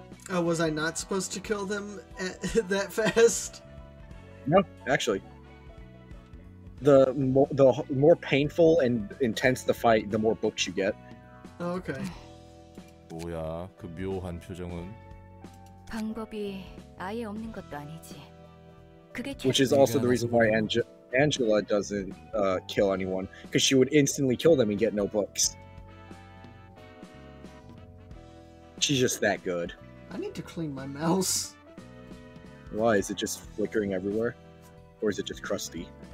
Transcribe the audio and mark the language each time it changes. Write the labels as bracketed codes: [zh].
[en] Was I not supposed to kill them that fast? No, actually. The more painful and intense the fight, the more books you get. Oh, okay. [ko] 뭐야, 그 묘한 표정은? 방법이 아예 없는 것도 아니지. [en] Which is also the reason why Angela doesn't kill anyone, because she would instantly kill them and get no books. She's just that good. I need to clean my mouse. Why, is it just flickering everywhere? Or is it just crusty?